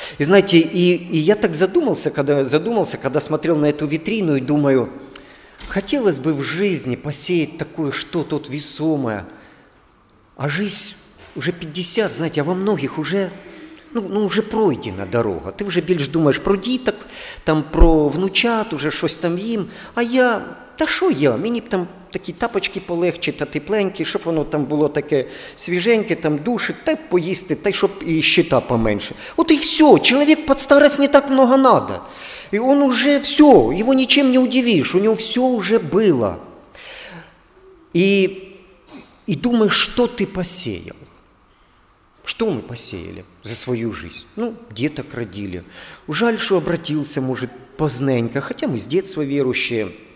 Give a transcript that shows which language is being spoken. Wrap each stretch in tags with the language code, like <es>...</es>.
<ru>И знаете, и я так задумался, когда смотрел на эту витрину и думаю... Хотелось бы в жизни посеять такое что-то вот весомое, а жизнь уже 50, знаете, а во многих уже, ну уже пройдена дорога. Ты уже больше думаешь про діток, там про внучат, уже что-то там їм, а я, да что я,</ru> <uk>мені б там такі тапочки полегче, та тепленькі, щоб воно там було таке свіженьке, там душик, та поїсти, та щоб і щита поменше. От і все, чоловік під старість не так много надо.</uk> <ru>И он уже все, его ничем не удивишь, у него все уже было. И думаешь, что ты посеял? Что мы посеяли за свою жизнь? Ну, деток родили. Жаль, что обратился, может, поздненько, хотя мы с детства верующие.</ru>